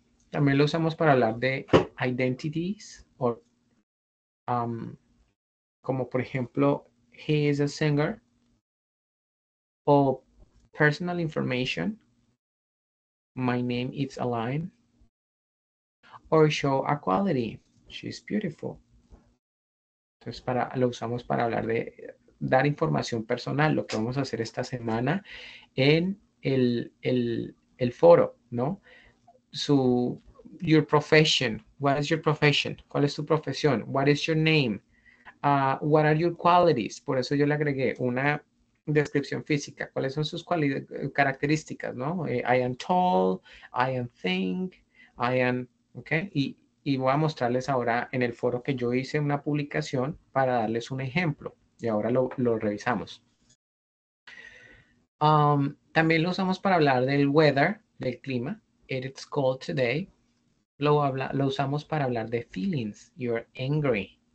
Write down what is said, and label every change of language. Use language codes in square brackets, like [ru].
[es] También lo usamos para hablar de [en] identities, [es] o como por ejemplo, [en] he is a singer, o personal information, my name is Aline, or show a quality, she's beautiful. [es] Entonces lo usamos para hablar de dar información personal, lo que vamos a hacer esta semana en el foro, ¿no? [en] Your profession. What is your profession? [es] ¿Cuál es tu profesión? [en] What is your name? What are your qualities? [es] Por eso yo le agregué una descripción física. ¿Cuáles son sus características, ¿no? [en] I am tall, I am thin, I am, okay. [es] Y voy a mostrarles ahora en el foro que yo hice una publicación para darles un ejemplo. Y ahora lo revisamos. También lo usamos para hablar del weather, del clima. [en] It's cold today. [es] Lo usamos para hablar de [en] feelings. You're angry.